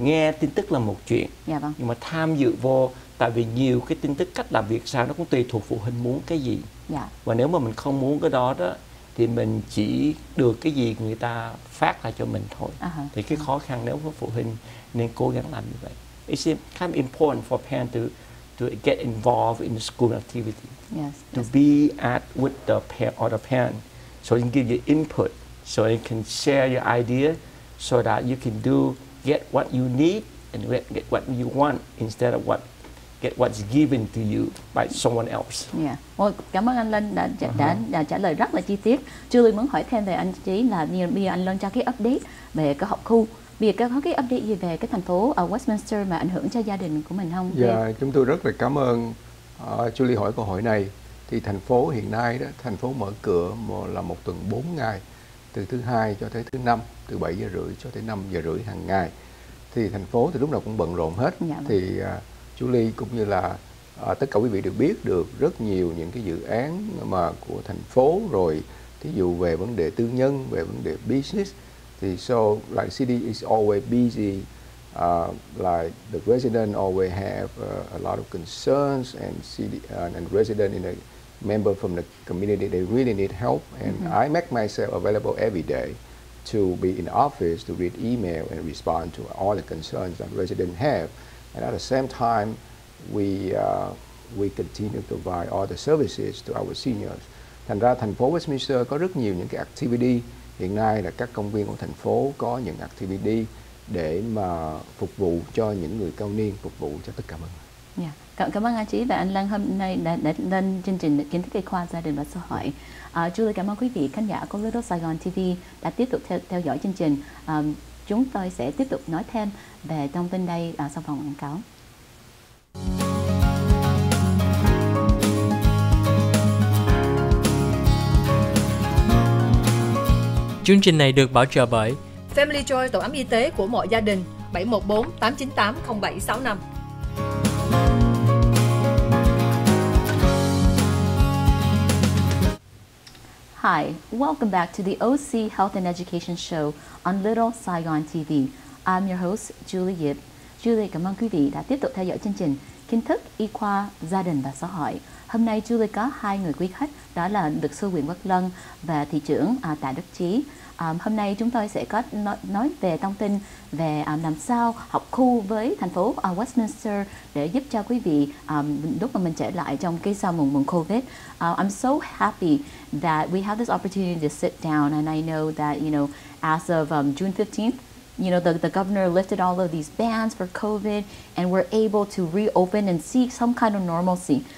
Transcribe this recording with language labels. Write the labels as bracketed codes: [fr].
[vi] Nghe tin tức là một chuyện. Yeah, vâng. Nhưng mà tham dự vô, tại vì nhiều cái tin tức cách làm việc sao nó cũng tùy thuộc phụ huynh muốn cái gì. Yeah. Và nếu mà mình không muốn cái đó thì mình chỉ được cái gì người ta phát lại cho mình thôi. Uh-huh. Thì cái khó khăn nếu có phụ huynh nên cố gắng làm như vậy. [en] It's kind of important for parents to get involved in the school activity. Yes. To yes. be at with the parent or the parent so you can give your input, so you can share your idea so that you can get what you need and get what you want instead of get what's given to you by someone else. Yeah. [vi] Well, cảm ơn anh Lân đã trả lời rất là chi tiết. Julie muốn hỏi thêm về anh Trí là bây giờ anh Lân cho cái update về cái học khu. Việc có cái update gì về cái thành phố ở Westminster mà ảnh hưởng cho gia đình của mình không? Dạ, chúng tôi rất là cảm ơn Julie hỏi câu hỏi này. Thì thành phố hiện nay đó, thành phố mở cửa là một tuần 4 ngày, từ thứ hai cho tới thứ năm, từ 7 giờ rưỡi cho tới 5 giờ rưỡi hàng ngày. Thì thành phố thì lúc nào cũng bận rộn hết. Dạ, thì Julie cũng như là tất cả quý vị đều biết được rất nhiều những cái dự án mà của thành phố, rồi thí dụ về vấn đề tư nhân, về vấn đề business. [en] So like city is always busy, like the resident always have a lot of concerns, and city and resident in a member from the community, they really need help. And mm-hmm. I make myself available every day to be in the office to read email and respond to all the concerns that residents have. And at the same time, we continue to provide all the services to our seniors. [vi] Thành ra thành phố Westminster có rất nhiều những cái activity. Hiện nay là các công viên của thành phố có những activity để mà phục vụ cho những người cao niên, phục vụ cho tất cả mọi người. Cảm ơn anh chị và anh Lan hôm nay đã lên chương trình kiến thức y khoa gia đình và xã hội. Julie, cảm ơn quý vị khán giả của Little Saigon TV đã tiếp tục theo dõi chương trình. Chúng tôi sẽ tiếp tục nói thêm về thông tin đây sau phần quảng cáo. Chương trình này được bảo trợ bởi Family Joy, tổ ấm y tế của mọi gia đình, 714-898-0765. [en] Hi, welcome back to the OC Health and Education Show on Little Saigon TV. I'm your host, Julie Yip. [vi] Julie, cảm ơn quý vị đã tiếp tục theo dõi chương trình Kiến thức y khoa, gia đình và xã hội. Hôm nay Julie có hai người quý khách, đó là luật sư Nguyễn Quốc Lân và thị trưởng tại Đức Trí. Hôm nay chúng tôi sẽ có nói về thông tin về làm sao học khu với thành phố Westminster để giúp cho quý vị lúc mà mình trở lại trong cái sau mùng COVID. [en] I'm so happy that we have this opportunity to sit down, and I know that, you know, as of June 15th, you know, the governor lifted all of these bans for COVID, and we're able to reopen and see some kind of normalcy.